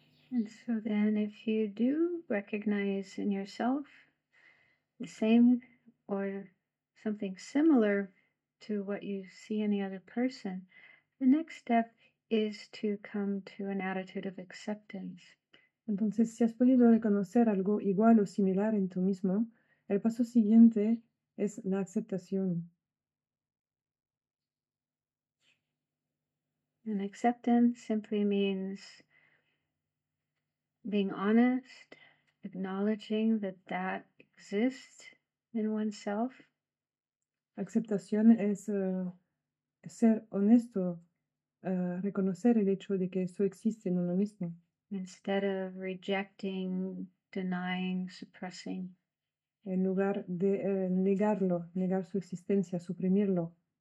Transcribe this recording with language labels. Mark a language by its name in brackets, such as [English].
[English] And so then, if you do recognize in yourself the same or something similar to what you see in the other person, the next step is to come to an attitude of acceptance. [Spanish] Entonces, si has podido reconocer algo igual o similar en tú mismo, el paso siguiente es la aceptación. [English] And acceptance simply means being honest, acknowledging that that exists in oneself. [Spanish] Aceptación es ser honesto, reconocer el hecho de que esto existe en uno mismo. [English] Instead of rejecting, denying, suppressing. [Spanish] En lugar de negarlo, negar su existencia, suprimirlo.